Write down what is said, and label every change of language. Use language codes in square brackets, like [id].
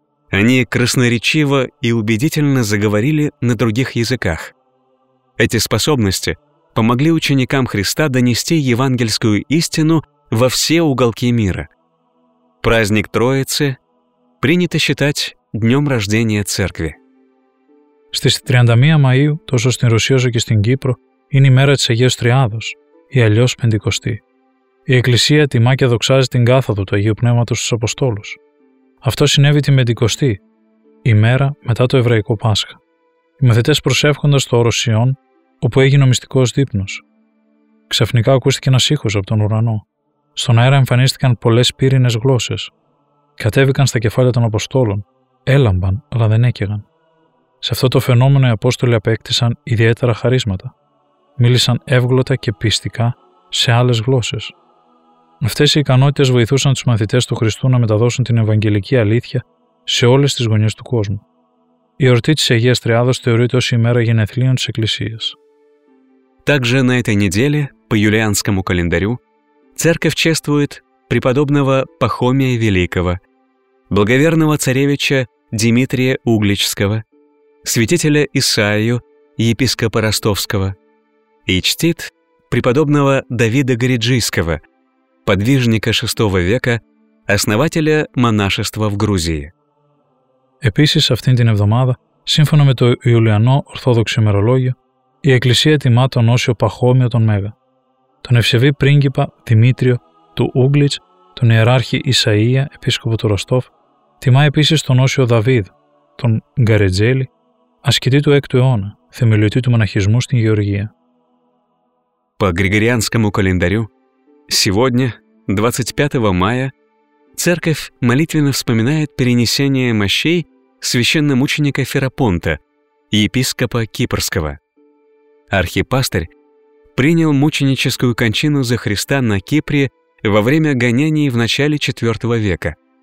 [ru] Они красноречиво и убедительно заговорили на других языках. Эти способности помогли ученикам Христа донести евангельскую истину во все уголки мира. Праздник Троицы принято считать днем рождения Церкви. [el] Στις 31 Μαΐου, τόσο στην Ρωσία όσο και στην Κύπρο, είναι η μέρα της Αγίας Τριάδος, ή αλλιώς Πεντηκοστή. Η Εκκλησία τιμά και δοξάζει την κάθοδο του Αγίου Πνεύματος στους Αποστόλους. Αυτό συνέβη την Πεντηκοστή, η μέρα μετά το Εβραϊκό Πάσχα. Οι μαθητές προσεύχονται στο όρος Σιών, όπου έγινε ο μυστικός δείπνος. Ξαφνικά ακούστηκε ένας ήχος από τον ουρανό. Στον αέρα εμφανίστηκαν πολλές πύρινες γλώσσες. Κατέβηκαν στα κεφάλια των Αποστόλων. Έλαμπαν, αλλά δεν έκαιγαν. Σε αυτό το φαινόμενο οι Απόστολοι απέκτησαν ιδιαίτερα χαρίσματα. Μίλησαν εύγλωτα και πιστικά σε άλλες γλώσσες. Αυτές οι ικανότητες βοηθούσαν τους μαθητές του Χριστού να μεταδώσουν την Ευαγγελική αλήθεια σε όλες τις γωνιές του κόσμου. Η ορτή της Αγίας Τριάδος θεωρείται ως η μέρα γενεθλίων της Εκκλησίας. [ru] Также на этой неделе, по юлианскому календарю, Церковь чествует преподобного Пахомия Великого, благоверного царевича Дмитрия Угличского, святителя Исаию, епископа Ростовского, и чтит преподобного Давида Гориджийского, подвижника VI века, основателя монашества в Грузии. [el] Επίσης, αυτήν την εβδομάδα, σύμφωνα με το Ιουλιανό Ορθόδοξο ημερολόγιο, η Εκκλησία τιμά τον Όσιο Παχώμιο τον Μέγα, τον ευσεβή πρίγκιπα Δημήτριο του Ούγκλιτς, τον ιεράρχη Ισαΐα, επίσκοπο του Ροστόφ, τιμά επίσης τον Όσιο Δαβίδ, τον Γκαρετζέλη, ασκητή του 6ου αιώνα, θεμελιωτή του μοναχισμού στην Γεωργία. [ru] По Григорианскому календарю, сегодня, 25 мая, Церковь молитвенно вспоминает перенесение мощей священномученика Ферапонта, епископа Кипрского. Архипастырь принял мученическую кончину за Христа на Кипре во время гонений в начале 4 века.